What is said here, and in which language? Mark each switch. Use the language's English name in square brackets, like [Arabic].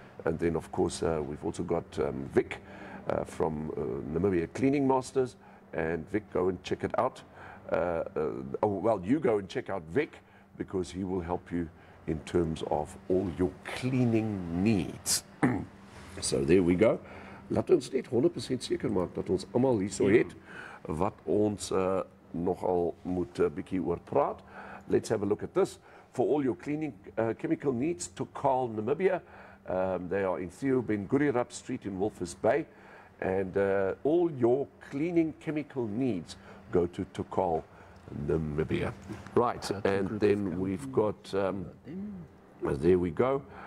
[English] And then, of course, we've also got Vic from Namibia Cleaning Masters. And Vic, go and check it out. You go and check out Vic, because he will help you in terms of all your cleaning needs. So there we go. [Afrikaans] Laat ons net 100% seker maak dat ons almal hierso het wat ons nogal moet 'n bietjie oor praat. [English] Let's have a look at this. For all your cleaning chemical needs, to call Namibia. They are in Theo Ben Gurirab Street in Walvis Bay. And all your cleaning chemical needs, go to Tokal Namibia. Right, and then we've got, there we go.